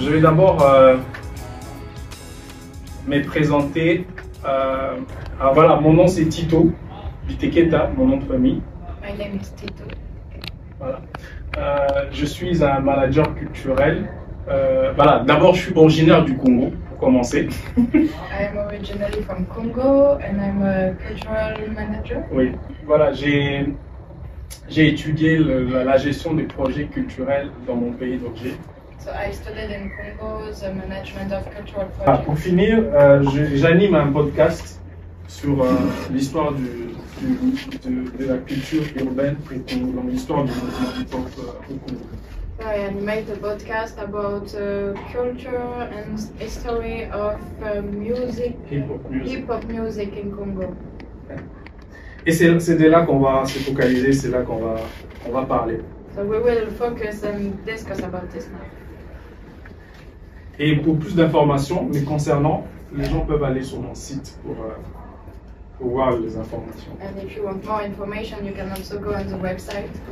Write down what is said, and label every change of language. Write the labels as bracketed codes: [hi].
[fr] Je vais d'abord me présenter. Voilà, mon nom c'est Tito Vitekéta, mon nom de famille. [en] My name is Tito. [fr] Voilà. Je suis un manager culturel. Voilà, d'abord, je suis originaire du Congo, pour commencer. [en] I'm originally from Congo and I'm a cultural manager. [fr] Oui, voilà, j'ai étudié la gestion des projets culturels dans mon pays d'origine. [en] So I studied in Congo the management of cultural projects. [fr] Ah, pour finir, j'anime un podcast sur l'histoire de la culture urbaine dans l'histoire du mouvement hip-hop au Congo. [en] So I animate a podcast about culture and history of music, hip-hop music in Congo. [fr] Et c'est de là qu'on va se focaliser, c'est là qu'on va parler. [en] So we will focus and discuss about this now. [fr] Et pour plus d'informations me concernant, les gens peuvent aller sur mon site pour voir les informations. [en] And if you want more information, you can also go on the website.